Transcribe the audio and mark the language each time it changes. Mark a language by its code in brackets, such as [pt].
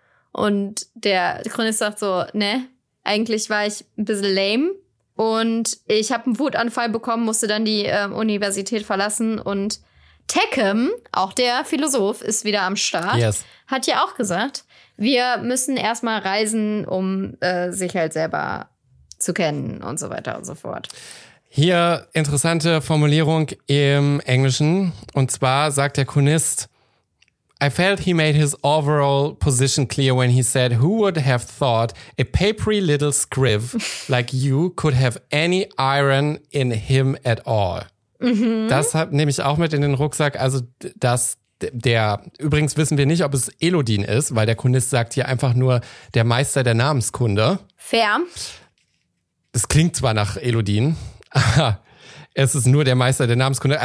[de] Und der Chronist sagt so, ne, eigentlich war ich ein bisschen lame und ich habe einen Wutanfall bekommen, musste dann die Universität verlassen. Und Tekkem, auch der Philosoph, ist wieder am Start, hat ja auch gesagt, wir müssen erstmal reisen, um sich halt selber zu kennen und so weiter und so fort. Hier interessante Formulierung im Englischen. Und zwar sagt der Chronist, [en] I felt he made his overall position clear when he said, who would have thought a papery little scriv like you could have any iron in him at all? Mhm. [de] Das nehme ich auch mit in den Rucksack. Also das der, übrigens wissen wir nicht, ob es Elodin ist, weil der Chronist sagt hier einfach nur der Meister der Namenskunde. [en] Fair. [de] Das klingt zwar nach Elodin, es ist nur der Meister der Namenskunde.